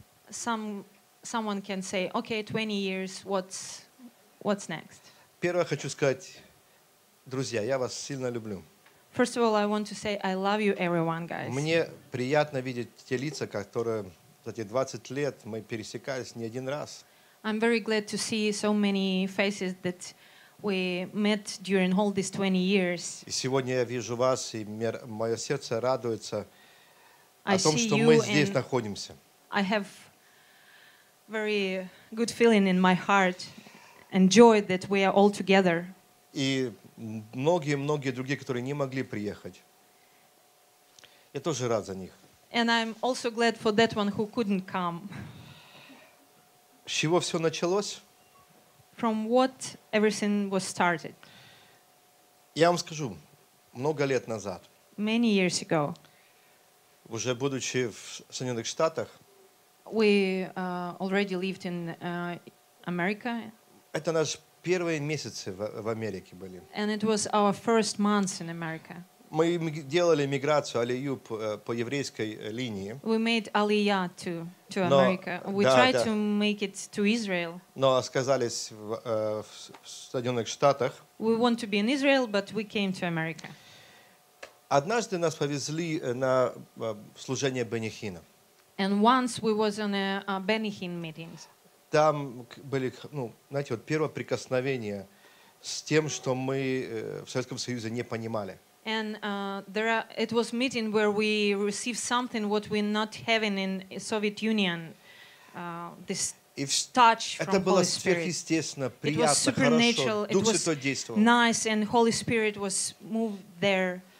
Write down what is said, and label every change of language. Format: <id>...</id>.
<en>Someone can say, okay, 20 years, what's next?</en> <ru>Первое хочу сказать, друзья, я вас сильно люблю.</ru> <en>First of all, I want to say I love you, everyone, guys.</en> <ru>Мне приятно видеть те лица, которые за эти 20 лет мы пересекались не один раз.</ru> <en>I'm very glad to see so many faces that we met during all these 20 years.</en> <ru>И сегодня я вижу вас, и мое сердце радуется о том, что мы здесь находимся.</ru> <en>I have very good feeling in my heart and joy that we are all together.</en> <ru>И многие-многие другие, которые не могли приехать. Я тоже рад за них.</ru> <en>And I'm also glad for that one who couldn't come.</en> <ru>С чего все началось?</ru> <en>From what everything was started.</en> <ru>Я вам скажу, много лет назад.</ru> <en>Many years ago.</en> <ru>Уже будучи в Соединенных Штатах.</ru> <en>We already lived in America.</en> <ru>Это наш первые месяцы в Америке были.</ru> <en>And it was our first months in America.</en> <ru>Мы делали миграцию, алию по еврейской линии.</ru> <en>We made aliyah to America. We tried to make it to Israel.</en> <ru>Но оказались в Соединенных Штатах.</ru> <en>We want to be in Israel, but we came to America.</en> <ru>Однажды нас повезли на служение Бенни Хина.</ru> <en>And once we was on a Бенни Хин meeting.</en> <ru>Там были, ну, знаете, вот первое прикосновение с тем, что мы в Советском Союзе не понимали.</ru> <en>And it was meeting where we received something what we not having in Soviet Union. This touch from Holy Spirit.</en> <ru>Это было сверхъестественно, приятно, хорошо. Дух Святой действовал.</ru> <en>It was supernatural. It was nice, and Holy Spirit was moved there.</en>